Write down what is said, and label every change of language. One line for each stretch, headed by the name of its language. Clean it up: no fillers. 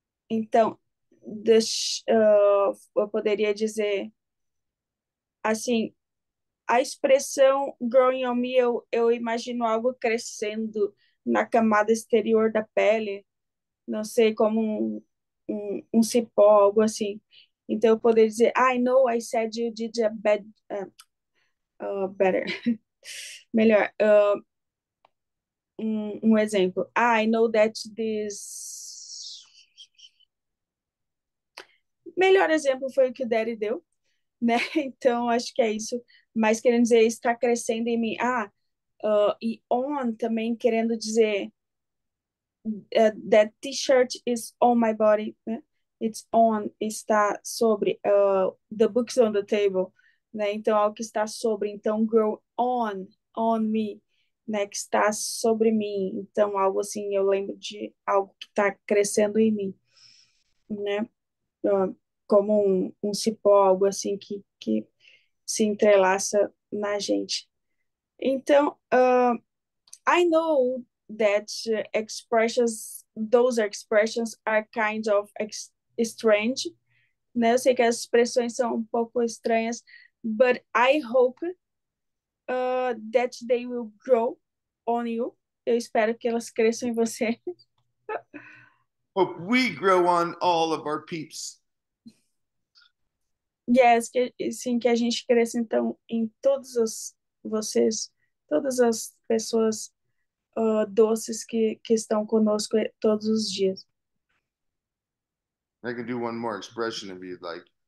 Portuguese: Então, eu poderia dizer, assim, a expressão growing on me, eu imagino algo crescendo na camada exterior da pele, não sei como... Um cipó, algo assim. Então, eu poderia dizer,
English: I know I said you did a bad...
Portuguese: better. Melhor. Um exemplo.
English: I know that this...
Portuguese: Melhor exemplo foi o que o Daddy deu, né? Então, acho que é isso. Mas querendo dizer, está crescendo em mim. Ah, e on também querendo dizer...
English: that t-shirt is on my body, né? It's on,
Portuguese: está sobre,
English: the book's on the table, né?
Portuguese: Então, algo que está sobre, então, grow on me, né? Que está sobre mim, então, algo assim, eu lembro de algo que está crescendo em mim, né? Como um cipó, algo assim que se entrelaça na gente.
English: Então, I know... That expressions, those expressions are kind of strange, né?
Portuguese: Eu sei que as expressões são um pouco estranhas,
English: but I hope that they will grow on you.
Portuguese: Eu espero que elas cresçam em você.
English: Hope we grow on all of our peeps.
Portuguese: Yes, que, sim, que a gente cresça então em todos vocês, todas as pessoas. Doces que estão conosco todos os dias.
English: I can do one more expression if you'd like.